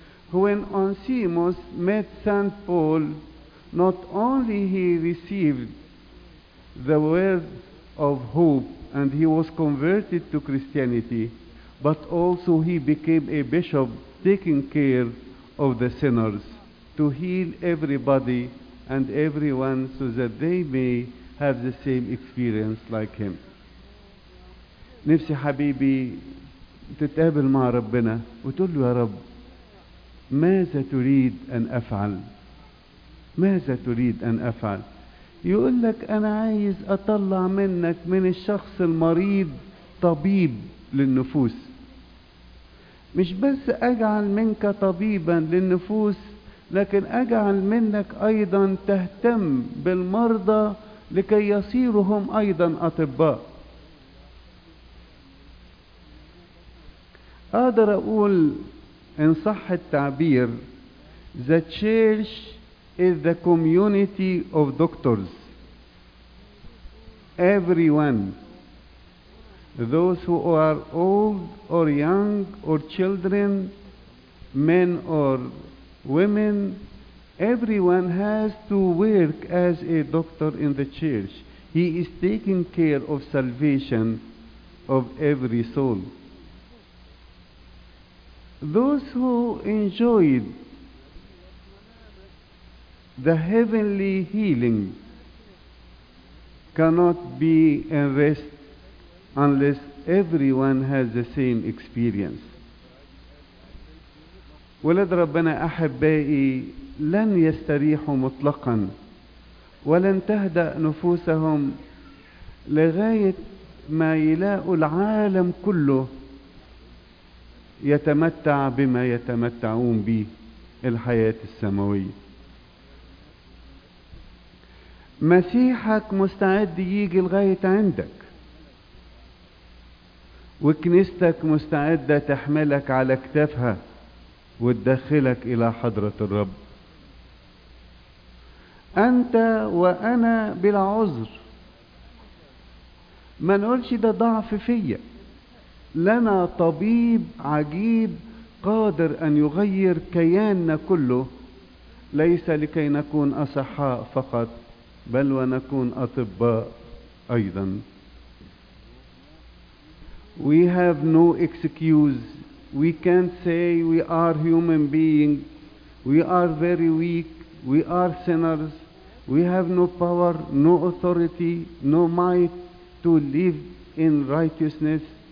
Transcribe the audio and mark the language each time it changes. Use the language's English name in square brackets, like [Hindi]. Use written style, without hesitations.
[English] When Onesimus met Saint Paul, not only he received the word of hope and he was converted to Christianity, but also he became a bishop taking care of the sinners to heal everybody and everyone so that they may have the same experience like him. [Arabic] نفسي حبيبي تتقابل مع ربنا وتقول له يا رب ماذا تريد أن أفعل؟ ماذا تريد أن أفعل؟ يقول لك أنا عايز أطلع منك من الشخص المريض طبيب للنفوس، مش بس أجعل منك طبيبا للنفوس، لكن أجعل منك أيضا تهتم بالمرضى لكي يصيرهم أيضا أطباء. أقدر أقول إن صح التعبير، [English] the church is the community of doctors. Everyone, those who are old or young or children, men or women, everyone has to work as a doctor in the church. He is taking care of salvation of every soul. Those who enjoyed the heavenly healing cannot be in rest unless everyone has the same experience. [Arabic] ولد ربنا أحبائي لن يستريحوا مطلقا ولن تهدأ نفوسهم لغاية ما يلاقوا العالم كله يتمتع بما يتمتعون به الحياة السماوية. مسيحك مستعد يجي لغاية عندك وكنيستك مستعدة تحملك على كتافها وتدخلك إلى حضرة الرب. أنت وأنا بلا عذر، ما نقولش ده ضعف فيا، لنا طبيب عجيب قادر أن يغير كياننا كله، ليس لكي نكون أصحاء فقط بل ونكون أطباء أيضا. [English] We have no excuse. We can't say we are human being. We are very weak. We are sinners. We have no power, no authority, no might to live in righteousness.